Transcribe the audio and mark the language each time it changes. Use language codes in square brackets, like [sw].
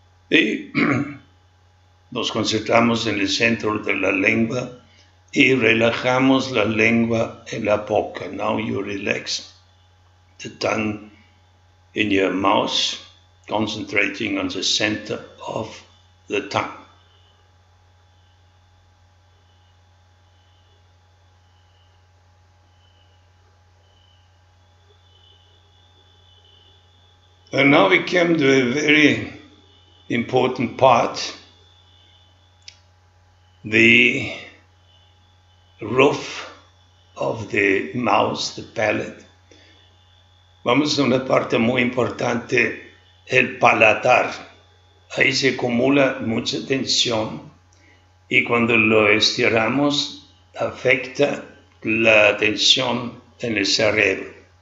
[es] Y nos concentramos en el centro de la lengua y relajamos la lengua en la boca. [en] Now you relax the tongue in your mouth, concentrating on the center of the tongue. And now we come to a very important part, the roof of the mouth, the palate. [es] Vamos a una parte muy importante, el paladar. Ahí se acumula mucha tensión y cuando lo estiramos afecta la tensión en el cerebro.